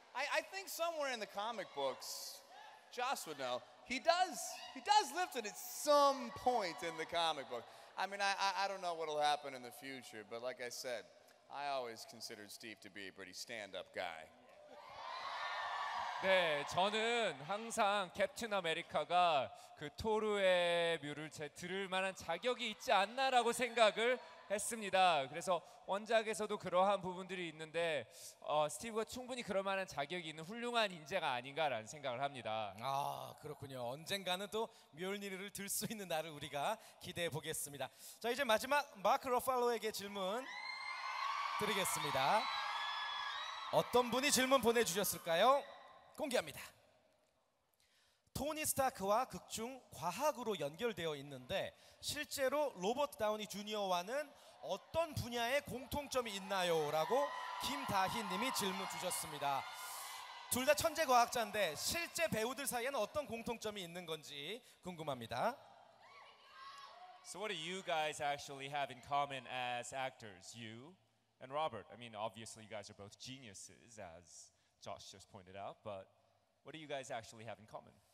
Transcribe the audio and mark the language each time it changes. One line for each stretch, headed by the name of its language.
English: I think somewhere in the comic books, Joss would know. He does lift it at some point in the comic book. I don't know what'll happen in the future, but like I said, I always considered Steve to be a pretty stand-up guy.
Korean: 네, 저는 항상 캡틴 아메리카가 그 토르의 뮤를 들을 만한 자격이 있지 않나라고 생각을 했습니다. 그래서 원작에서도 그러한 부분들이 있는데 스티브가 충분히 그럴 만한 자격이 있는 훌륭한 인재가 아닌가라는 생각을 합니다. 아, 그렇군요. 언젠가는 또 뮬니르를 들 수 있는 날을 우리가 기대해 보겠습니다. 자, 이제 마지막 마크 러팔로에게 질문 드리겠습니다. 어떤 분이 질문 보내주셨을까요? 공개합니다. 토니 스타크와 극중 과학으로 연결되어 있는데 실제로 로버트 다우니 주니어와는 어떤 분야의 공통점이 있나요? 라고 김다희님이 질문 주셨습니다. 둘 다 천재 과학자인데 실제 배우들 사이에는 어떤 공통점이 있는 건지 궁금합니다.
English: So what do you guys actually have in common as actors? You and Robert. I mean, obviously you guys are both geniuses as Josh just pointed out, but what do you guys actually have in common?